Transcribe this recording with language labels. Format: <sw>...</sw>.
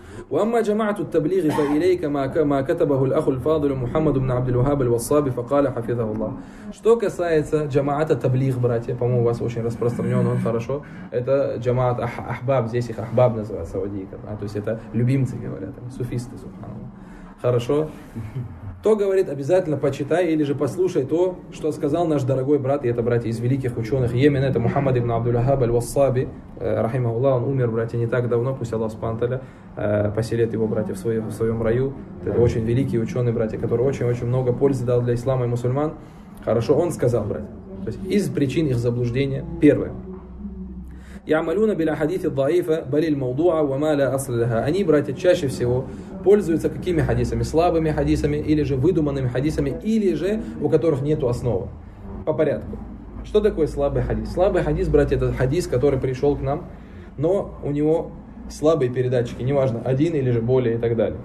<ar>وأما جماعة التبليغ فإليك ما كتبه الأخ الفاضل محمد بن عبد الوهاب الوصابي فقال حفظه الله.</ar> <ru>Что касается جماعات التبليغ, братья, по-моему, у вас очень распространен он, хорошо. Это جماعات أحباب, здесь их أحباب называют саудийцев, то есть это любимцы говорят, суфисты, субханаллах. Хорошо. То, говорит, обязательно почитай или же послушай то, что сказал наш дорогой брат, и это, братья, из великих ученых Йемена, это Мухаммад ибн Абдул-Вахаб аль-Вассаби, рахимахуллах, он умер, братья, не так давно, пусть Аллах спанталя поселит его, братья, в своем раю. Это очень великий ученый, братья, который очень-очень много пользы дал для ислама и мусульман. Хорошо, он сказал, братья. То есть из причин их заблуждения, первое.</ru> <ar>يعملون بالأحاديث الضعيفة بل الموضوع وما لا أصل لها.</ar> <ru>Они, братья, чаще всего пользуются какими хадисами? Слабыми хадисами или же выдуманными хадисами, или же у которых нету основы. По порядку. Что такое слабый хадис? Слабый хадис, братья, это хадис, который пришел к нам, но у него слабые передатчики, неважно, один или же более и так далее.</ru>